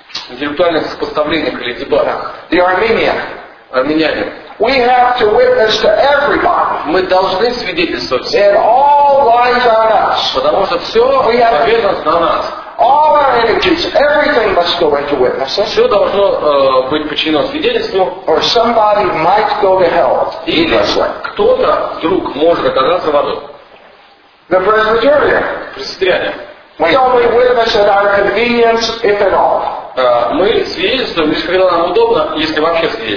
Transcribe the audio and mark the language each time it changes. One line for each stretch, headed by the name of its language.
Russian: интеллектуальных сопоставлениях или дебатах.
English: The Armenian.
Russian: Армянин.
English: We have to witness to everybody.
Russian: Мы должны свидетельствовать всем.
English: And all lies on us.
Russian: Потому что все ответственность на нас.
English: All our energies, everything must go into witnessing.
Russian: Все должно быть подчинено свидетельству.
English: Or somebody might go to hell.
Russian: Или кто-то вдруг может оказаться в аду.
English: The Presbyterian.
Russian: Пресвитерианин.
English: We only witness at our convenience, if at all.
Russian: Мы свидетельствуем, лишь когда нам удобно, если вообще